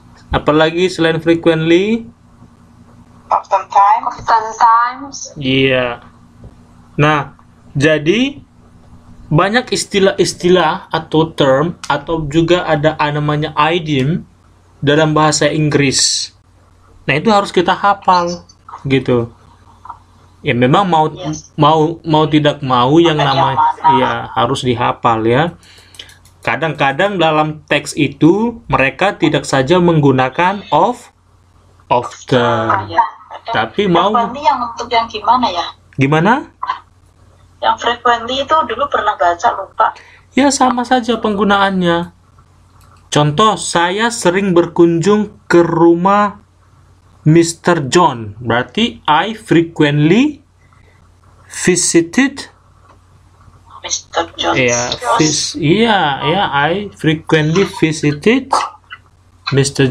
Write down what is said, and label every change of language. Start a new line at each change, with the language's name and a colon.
Indonesian: Apalagi selain frequently?
English: Oftentimes.
Indonesian: Iya. Nah, jadi banyak istilah-istilah atau term atau juga ada namanya idiom dalam bahasa Inggris. Nah, itu harus kita hafal gitu. Ya memang mau
English: yes.
Indonesian: mau mau tidak mau Maka yang namanya ya harus dihafal ya. Kadang-kadang dalam teks itu mereka tidak saja menggunakan of often. Tapi mau frequently yang untuk yang gimana ya? Gimana? Yang frequently itu dulu pernah baca lupa. Ya sama saja penggunaannya. Contoh, saya sering berkunjung ke rumah Mr. John.
English: Berarti I frequently visited Mr. John. Ya, I frequently visited Mr.